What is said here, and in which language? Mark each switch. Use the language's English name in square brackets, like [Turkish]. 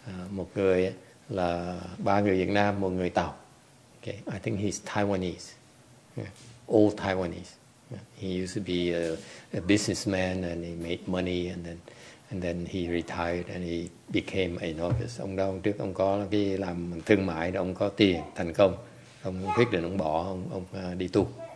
[Vietnamese] Một người là 3 người Việt Nam, 1 người Tàu. [English] Okay. I think he's Taiwanese. Yeah. Old Taiwanese. He used to be a businessman and he made money and then he retired and he became a novice. [Vietnamese] Ông đó trước ông có cái làm thương mại, ông có tiền thành công, ông quyết định ông bỏ, ông đi tu.